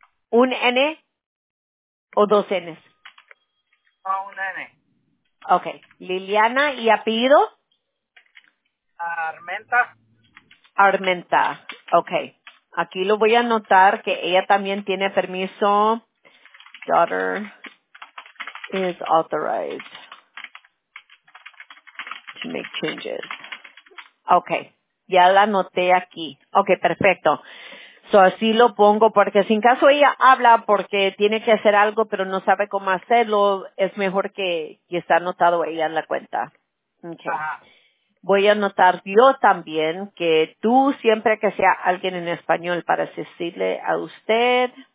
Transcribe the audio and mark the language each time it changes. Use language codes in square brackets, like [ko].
[es] ¿Un N o dos N's? No, un N. Okay, Liliana, ¿y apellido? Armenta. Armenta, okay. Aquí lo voy a anotar que ella también tiene permiso. [en] Daughter is authorized to make changes. [es] Okay, ya la anoté aquí. Okay, perfecto. So así lo pongo porque si en caso ella habla porque tiene que hacer algo pero no sabe cómo hacerlo, es mejor que está anotado ella en la cuenta. Okay. Voy a anotar yo también que tú siempre que sea alguien en español para decirle a usted.